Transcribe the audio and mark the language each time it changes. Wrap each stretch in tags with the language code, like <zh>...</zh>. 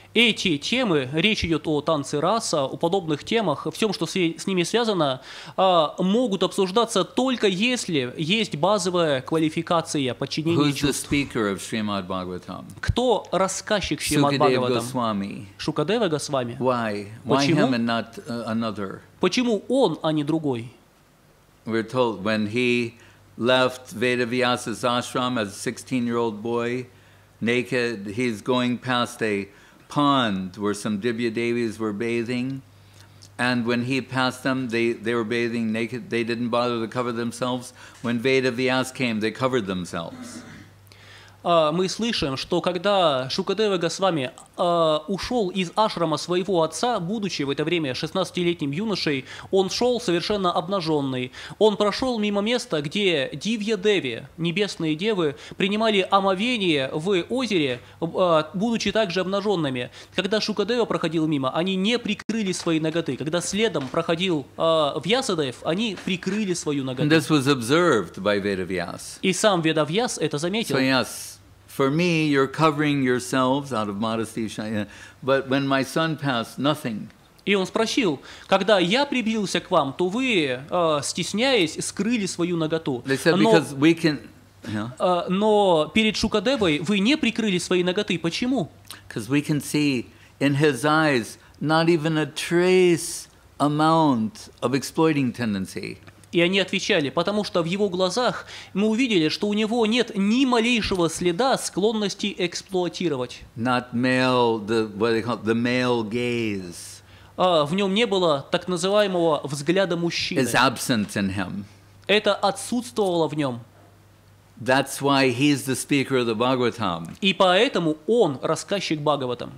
<ru>Эти темы, речь идет о танце раса, о подобных темах, всем, что с ними связано, могут обсуждаться только если есть базовая квалификация подчинения чувств.</ru> <en>Who's the speaker of Srimad Bhagavatam?</en> <ru>Кто рассказчик Шримад Бхагаватам? Шукадева Госвами.</ru> <en>Why? Why him and not another?</en> <ru>Почему он, а не другой?</ru> <en>We're told when he left Vedavyasa's ashram as a 16-year-old boy, naked, he's going past a pond where some Dibya Devis were bathing. And when he passed them, they were bathing naked. They didn't bother to cover themselves. When Vedavyasa came, they covered themselves.</en> <ru>Мы слышим, что когда Шукадева Госвами ушел из ашрама своего отца, будучи в это время 16-летним юношей, он шел совершенно обнаженный. Он прошел мимо места, где Дивья Деви, небесные девы, принимали омовение в озере, будучи также обнаженными. Когда Шукадева проходил мимо, они не прикрыли свои ноготы. Когда следом проходил Вьясадев, они прикрыли свою ноготу. И сам Ведавьяс это заметил.</ru> <en>For me, you're covering yourselves out of modesty, but when my son passed, nothing.</en> <ru>И он спросил, когда я прибился к вам, то вы, стесняясь, скрыли свою наготу.</ru> <en>They said, because we can...</en> <ru>Но перед Шукадевой вы не прикрыли свои ноготы. Почему?</ru> <en>Because we can see in his eyes not even a trace amount of exploiting tendency.</en> <ru>И они отвечали, потому что в его глазах мы увидели, что у него нет ни малейшего следа склонности эксплуатировать.</ru> <en>Not male, what they call the male gaze.</en> <ru>В нем не было так называемого взгляда мужчины.</ru> <en>Is absent in him.</en> <ru>Это отсутствовало в нем.</ru> <en>That's why he's the speaker of the Bhagavatam.</en> <ru>И поэтому он рассказчик Бхагаватам.</ru>